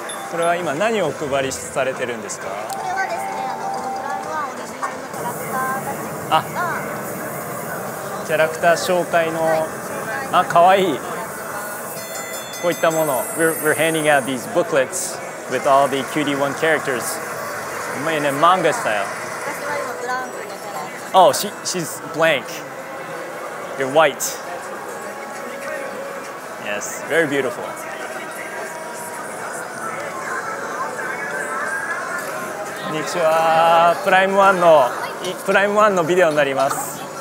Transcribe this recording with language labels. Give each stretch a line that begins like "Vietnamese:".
Japanese: これは今何をお配りされてるんですか？これはですね、プライムオリジナルのキャラクターたちが。キャラクター紹介の、はい、あ、かわいい。こういったもの。
English: We're handing out these booklets with all the Cutie One characters in a manga style.
Japanese: 私は今ブランクのキャラ。
English: Oh, she's blank. You're white. Yes, very beautiful.
Japanese: Konnichiwa. Prime One のビデオになります。